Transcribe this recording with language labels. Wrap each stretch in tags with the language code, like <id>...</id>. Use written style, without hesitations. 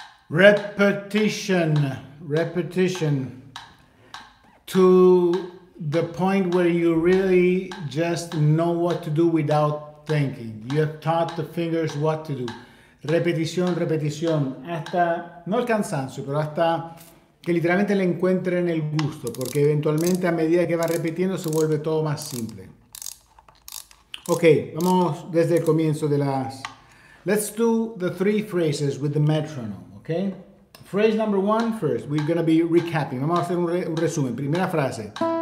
<en>Repetition, repetition to the point where you really just know what to do without thinking. You have taught the fingers what to do.</en> <es>Repetición, repetición, hasta, no el cansancio, pero hasta que literalmente le encuentren el gusto, porque eventualmente a medida que va repitiendo se vuelve todo más simple. Ok, vamos desde el comienzo de las...</es> <en>Let's do the three phrases with the metronome, ok? Phrase number one first, we're gonna be recapping.</en> <es>Vamos a hacer un resumen. Primera frase.</es>